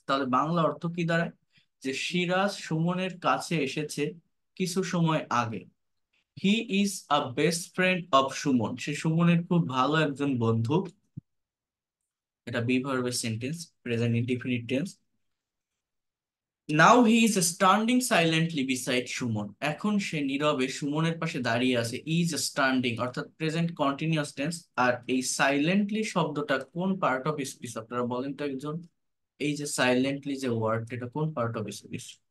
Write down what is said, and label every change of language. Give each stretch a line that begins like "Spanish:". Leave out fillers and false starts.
Bangla: তাহলে বাংলা অর্থ কি দাঁড়ায়, যে সিরাজ সুমনের কাছে এসেছে কিছু সময় আগে,
English: he is a best friend of Suman,
Bangla: সে সুমনের খুব ভালো একজন বন্ধু, এটা বিভার্বের sentence, present indefinite tense.
English: Now he is standing silently beside Shumon.
Bangla: এখন সে নীরবে সুমনের পাশে দাঁড়িয়ে আছে।
English: Is standing
Bangla: অর্থাৎ প্রেজেন্ট কন্টিনিউয়াস টেন্স। আর এই সাইলেন্টলি শব্দটা কোন পার্ট অফ স্পিচ আপনারা বলেন তো একজন? এই যে সাইলেন্টলি যে ওয়ার্ড, এটা কোন পার্ট অফ স্পিচ?